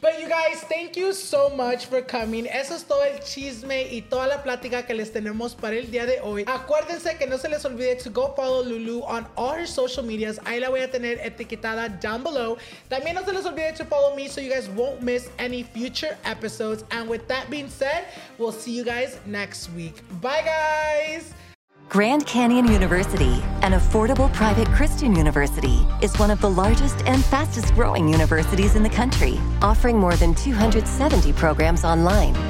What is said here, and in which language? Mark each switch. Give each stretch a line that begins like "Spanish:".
English: But you guys, thank you so much for coming.
Spanish: Eso es todo el chisme y toda la plática que les tenemos para el día de hoy. Acuérdense que no se les olvide
English: to go follow Lulu on all her social medias.
Spanish: Ahí la voy a tener etiquetada
English: down below.
Spanish: También no se les olvide
English: to follow me so you guys won't miss any future episodes. And with that being said, we'll see you guys next week. Bye, guys. Grand Canyon University, an affordable private Christian university, is one of the largest and fastest growing universities in the country, offering more than 270 programs online.